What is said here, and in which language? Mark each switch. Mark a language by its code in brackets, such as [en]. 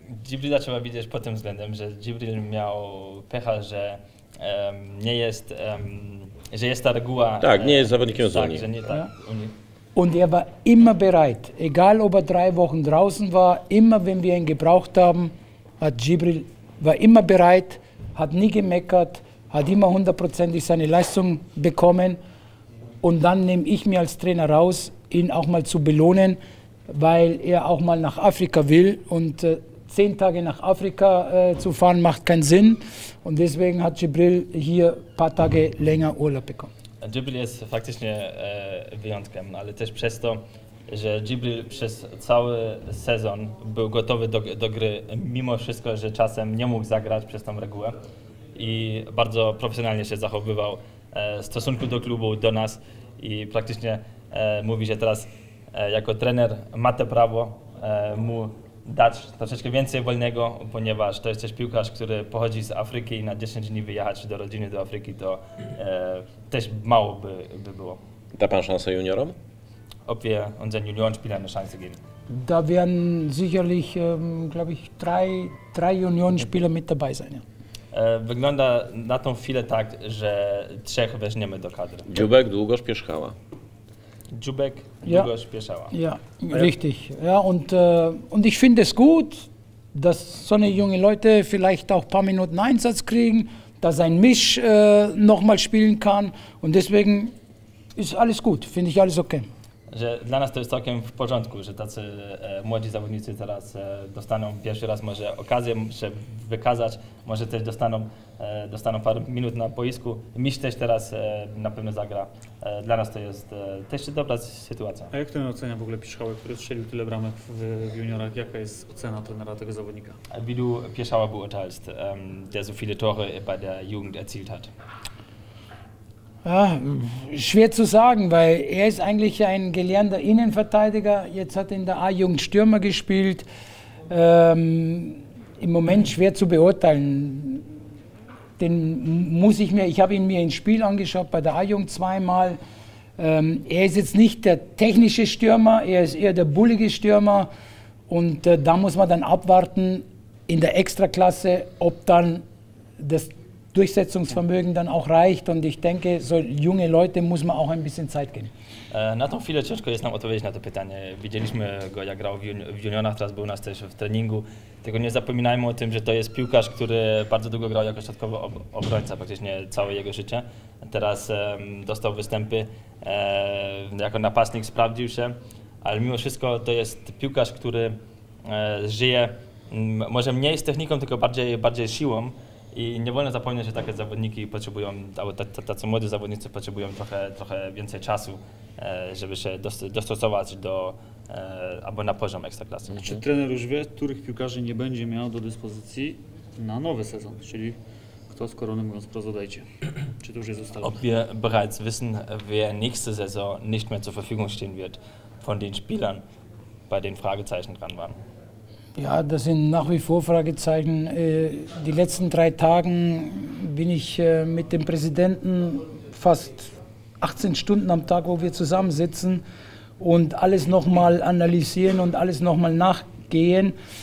[pl] Jibrila trzeba widzieć pod tym względem, że Jibril miał pecha, że nie jest, że jest ta reguła... Tak, nie jest zawodnikiem z Unii. Tak, że nie tak. [de] Und er war immer bereit, egal ob er drei Wochen draußen war, immer wenn wir ihn gebraucht haben, hat Jibril war immer bereit, hat nie gemeckert, hat immer hundertprozentig seine Leistung bekommen. Und dann nehme ich mir als Trainer raus, ihn auch mal zu belohnen, weil er auch mal nach Afrika will. Und 10 Tage nach Afrika zu fahren, macht keinen Sinn. Und deswegen hat Jibril hier ein paar Tage länger Urlaub bekommen. [pl] Jibril [de] ist faktisch [pl] wyjątkiem, ale też przez to, że Jibril przez cały sezon był gotowy do gry, mimo wszystko, że czasem nie mógł zagrać przez tą regułę i bardzo profesjonalnie się zachowywał w stosunku do klubu, do nas i praktycznie mówi, że teraz jako trener ma to prawo mu dać troszeczkę więcej wolnego, ponieważ to jest też piłkarz, który pochodzi z Afryki i na 10 dni wyjechać do rodziny, do Afryki, to też mało by było. Da pan szansę juniorom? [de] Ob wir unseren Juniorenspielern eine Chance geben? Da werden sicherlich, glaube ich, drei Juniorenspieler mit dabei sein. Ja. [pl] Wygląda na tą chwilę tak, że 3 weźmiemy do kadry. Dziubek długo spieszchała. Dziubek długo spieszała. [de] Ja, richtig. Ja, und ich finde es gut, dass so eine junge Leute vielleicht auch ein paar Minuten Einsatz kriegen, dass ein Misch nochmal spielen kann. Und deswegen ist alles gut, finde ich alles okay. [pl] Że dla nas to jest całkiem w porządku, że tacy młodzi zawodnicy teraz dostaną pierwszy raz może okazję się wykazać, może też dostaną parę minut na boisku. Miś też teraz na pewno zagra. Dla nas to jest też dobra sytuacja. A jak ten ocenia w ogóle Pieszchałek, który strzelił tyle bramek w juniorach? Jaka jest ocena trenera tego zawodnika? [de] Wie du Pieszchałek beurteilst, der so viele Tore bei der Jugend erzielt hat? Ja, schwer zu sagen, weil er ist eigentlich ein gelernter Innenverteidiger. Jetzt hat er in der A-Jugend Stürmer gespielt. Im Moment schwer zu beurteilen. Den muss ich mir, ich habe ihn mir ins Spiel angeschaut bei der A-Jugend zweimal. Er ist jetzt nicht der technische Stürmer, er ist eher der bullige Stürmer. Und da muss man dann abwarten in der Extraklasse, ob dann das Durchsetzungsvermögen dann auch reicht und ich denke, so junge Leute muss man auch ein bisschen Zeit geben. [pl] Na tą chwilę ciężko jest nam odpowiedzieć na to pytanie. Widzieliśmy go, jak grał w juniorach, teraz był u nas też w treningu. Tylko nie zapominajmy o tym, że to jest piłkarz, który bardzo długo grał jako środkowy obrońca, praktycznie całe jego życie. Teraz dostał występy, jako napastnik sprawdził się, ale mimo wszystko to jest piłkarz, który żyje może mniej z techniką, tylko bardziej siłą. I nie wolno zapomnieć, że takie zawodniki potrzebują, albo tacy młodzi zawodnicy potrzebują trochę więcej czasu, żeby się dostosować do albo na poziom ekstraklasy. Czy trener już wie, których piłkarzy nie będzie miał do dyspozycji na nowy sezon? Czyli kto z korony, mówiąc prosto, dajcie. Czy to już jest ustalone? [de] Ob wir bereits wissen, wer nächste Saison nicht mehr zur Verfügung stehen wird von den Spielern, bei den Fragezeichen dran waren. Ja, das sind nach wie vor Fragezeichen. Die letzten 3 Tage bin ich mit dem Präsidenten fast 18 Stunden am Tag, wo wir zusammensitzen und alles nochmal analysieren und alles nochmal nachgehen.